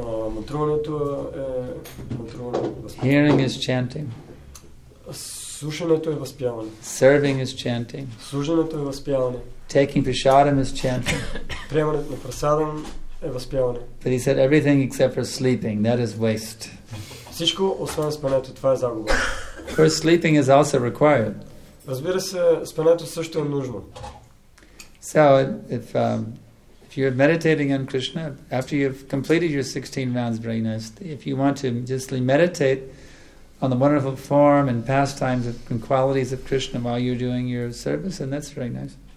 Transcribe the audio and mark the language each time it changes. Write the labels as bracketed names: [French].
[Bulgarian] Мантруването е мантруване. [English] Hearing is chanting. [Bulgarian] Слушането е възпяване. [English] Serving is chanting. [Bulgarian] Служенето е възпяване. [English] Taking prasadam is chanting. [Bulgarian] Приемането на прасадам е възпяване. [English] But he said everything except for sleeping, that is waste. [Bulgarian] Всичко освен спането, това е загуба. [English] For sleeping is also required. [Bulgarian] Разбира се, спането също е нужно. [English] So if you're meditating on Krishna after you've completed your 16 rounds very nice, if you want to just meditate on the wonderful form and pastimes and qualities of Krishna while you're doing your service, then that's very nice.